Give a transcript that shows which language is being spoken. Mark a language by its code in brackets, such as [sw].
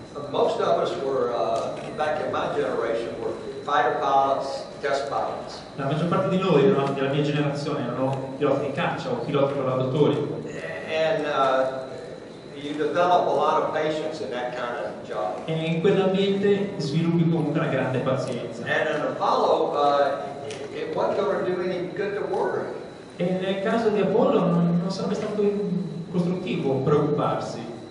[en] Most of us were back in my generation were fighter pilots, test pilots. [it] La maggior parte di noi, della mia generazione, erano piloti di caccia o piloti collaudatori. [en] And you develop a lot of patience in that kind of job. [it] E in quell'ambiente sviluppi comunque una grande pazienza. [en] And in Apollo, it wasn't going to do any good to worry. [it] E nel caso di Apollo non sarebbe stato costruttivo preoccuparsi.